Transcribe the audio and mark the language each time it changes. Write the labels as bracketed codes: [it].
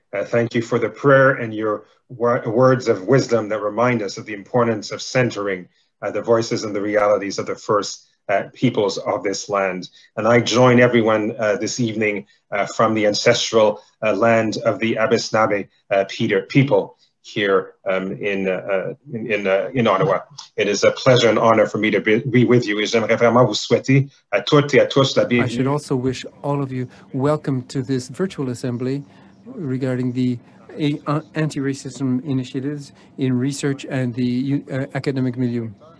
[en] Thank you for the prayer and your words of wisdom that remind us of the importance of centering the voices and the realities of the first peoples of this land. And I join everyone this evening from the ancestral land of the Abisnabe Peter people here in Ottawa. It is a pleasure and honor for me to be with you. [fr] J'aimerais vraiment vous souhaiter à toutes et à tous la bienvenue. [en] I should also wish all of you welcome to this virtual assembly regarding the anti-racism initiatives in research and the academic milieu.